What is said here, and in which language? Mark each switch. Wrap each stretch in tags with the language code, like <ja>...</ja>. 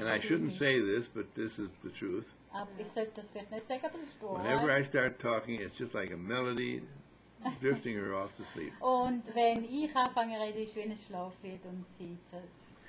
<en>And I shouldn't say this, but this is the truth.</en> <de>Aber ich sollte das vielleicht nicht sagen, aber es ist wahr.</de> <en>Whenever I start talking, it's just like a melody drifting her off to sleep.</en> <de>Und wenn ich anfange zu reden, ist wie ein Schlaflied und sie das.</de>